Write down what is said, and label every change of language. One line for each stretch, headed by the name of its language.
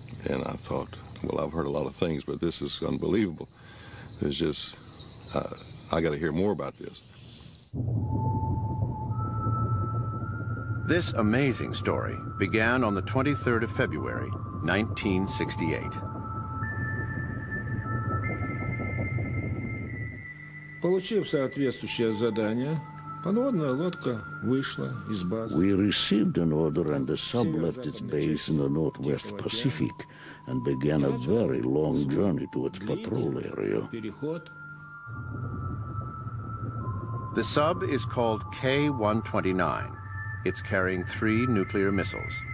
English: And I thought, well, I've heard a lot of things, but this is unbelievable. It's just, I got to hear more about this. This amazing story began on the 23rd of February, 1968.
Russian: Получив соответствующее задание, подводная лодка вышла из базы.
English: We received an order and the sub left its base in the Northwest Pacific and began a very long journey to its patrol area. The sub is called K-129. It's carrying three nuclear missiles.